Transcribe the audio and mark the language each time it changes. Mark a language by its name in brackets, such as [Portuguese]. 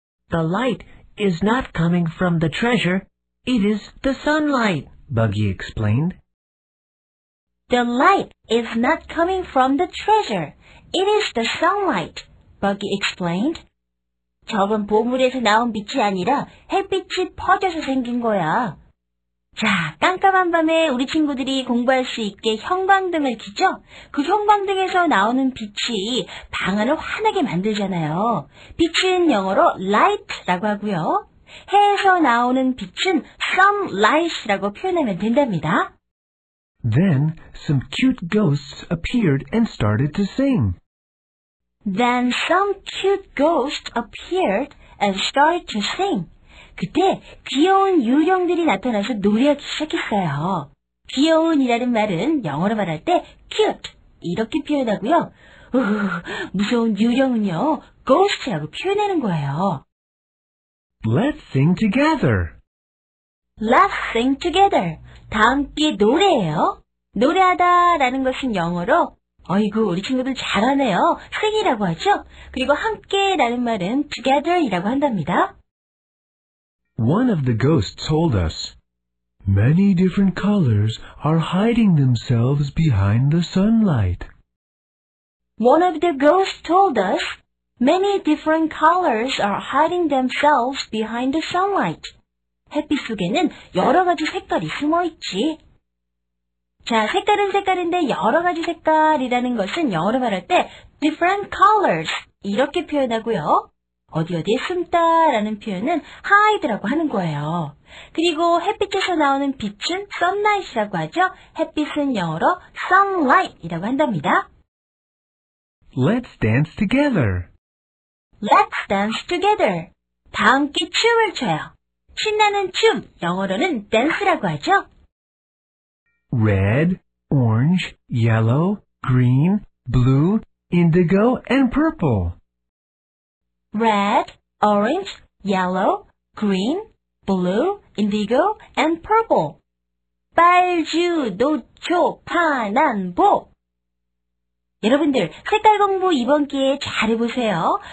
[English] The light is not coming from the treasure. It is the sunlight, Buggy explained. The light is not coming from the treasure. It is the sunlight, Buggy explained. [Korean] 저건 보물에서 나온 빛이 아니라 햇빛이 퍼져서 생긴 거야. 자, 깜깜한 밤에 우리 친구들이 공부할 수 있게 형광등을 켜죠? 그 형광등에서 나오는 빛이 방안을 환하게 만들잖아요. 빛은 영어로 light라고 하고요. 해에서 나오는 빛은 sunlight라고 표현하면 된답니다. [English] Then some cute ghosts appeared and started to sing. Then some cute ghosts appeared and started to sing. [Korean] 그때 귀여운 유령들이 나타나서 노래하기 시작했어요. 귀여운이라는 말은 영어로 말할 때 cute 이렇게 표현하고요. 무서운 유령은요, ghost라고 표현하는 거예요. [English] Let's sing together. Let's sing together. [Korean] 다 함께 노래해요. 노래하다라는 것은 영어로 어이구 우리 친구들 잘하네요. sing이라고 하죠. 그리고 함께라는 말은 together이라고 한답니다. [English] One of the ghosts told us, "Many different colors are hiding themselves behind the sunlight." One of the ghosts told us, "Many different colors are hiding themselves behind the sunlight." [Korean] 햇빛 속에는 여러 가지 색깔이 숨어 있지. 자, 색깔은 색깔인데 여러 가지 색깔이라는 것은 영어로 말할 때 different colors 이렇게 표현하고요. 어디 어디에 숨다라는 표현은 hide라고 하는 거예요. 그리고 햇빛에서 나오는 빛은 sunlight이라고 하죠. 햇빛은 영어로 sunlight이라고 한답니다. [English] Let's dance together. Let's dance together. [Korean] 다 함께 춤을 춰요. 신나는 춤, 영어로는 dance라고 하죠. [English] Red, orange, yellow, green, blue, indigo, and purple. Red, orange, yellow, green, blue, indigo, and purple. [Korean] 빨주, 노초, 파난, 보. 여러분들, 색깔 공부 이번 기회에 잘 해보세요.